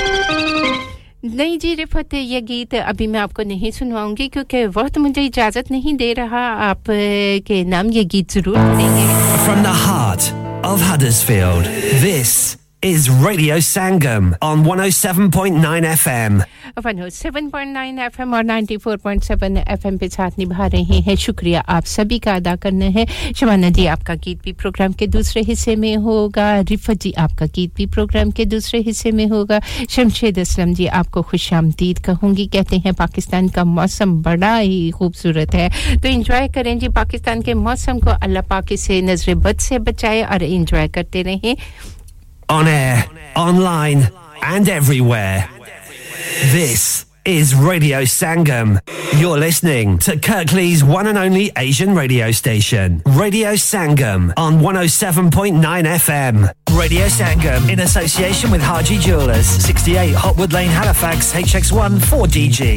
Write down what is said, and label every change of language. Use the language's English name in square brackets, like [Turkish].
[Hindi] नहीं जी रिफत ये गीत अभी मैं आपको नहीं सुनवाऊंगी क्योंकि वक्त मुझे इजाजत नहीं दे रहा आप के नाम ये गीत जरूर सुनेंगे [English] From the heart of Huddersfield this is Radio Sangam on 107.9 FM [Hindi] 107.9 FM और 94.7 FM पे साथ निभा रहे हैं शुक्रिया आप सभी का अदा करना है शवाना जी आपका गीत भी प्रोग्राम के दूसरे हिस्से में होगा रिफत जी आपका गीत भी प्रोग्राम के दूसरे हिस्से में होगा शमशेद असलम जी आपको खुशामदीद कहूंगी कहते हैं पाकिस्तान का मौसम बड़ा ही खूबसूरत है तो एंजॉय करें जी पाकिस्तान के मौसम को अल्लाह पाक से नजरबद से बचाए और एंजॉय करते रहें [English] On air, online, and everywhere. This is Radio Sangam. You're listening to Kirklees one and only Asian radio station. Radio Sangam on 107.9 FM. Radio Sangam, in association with Haji Jewellers. 68 Hotwood Lane, Halifax, HX1 4DG.